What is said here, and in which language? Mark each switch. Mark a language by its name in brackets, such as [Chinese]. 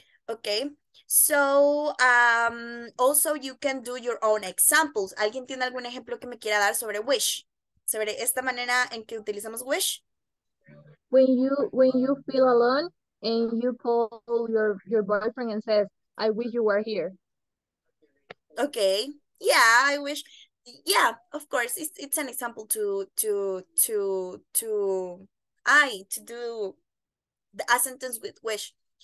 [English] Okay, so also you can do your own examples. [Spanish] ¿Alguien tiene algún ejemplo que me quiera dar sobre wish? Sobre esta manera en que utilizamos wish. [English] When you feel alone and you call your boyfriend and says, I wish you were here. Okay, yeah, I wish. Yeah, of course, it's an example to do a sentence with wish.